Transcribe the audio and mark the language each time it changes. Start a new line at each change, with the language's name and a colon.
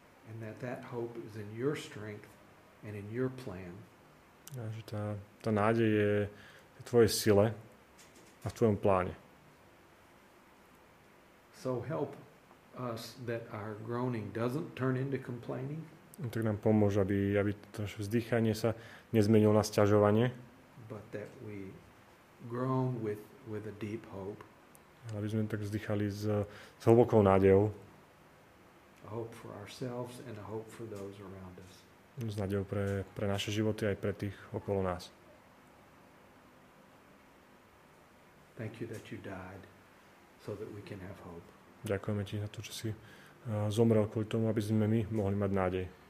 English: And that hope is in your strength and in your plan.
Slovak: A že tá nádej je v tvojej sile a v tvojom pláne.
English: So help us that our groaning doesn't turn into complaining.
Slovak: Tak nám pomôž, aby to naše vzdychanie sa nezmenilo na sťažovanie.
English: But that we groan with a deep hope.
Slovak: Aby sme tak vzdychali s hlbokou nádejou.
English: A hope for ourselves and a hope for those around us.
Slovak: S nádejou pre naše životy aj pre tých okolo nás.
English: Thank you that you died so that we can have hope.
Slovak: Ďakujeme ti za to, že si zomrel kvôli tomu, aby sme my mohli mať nádej.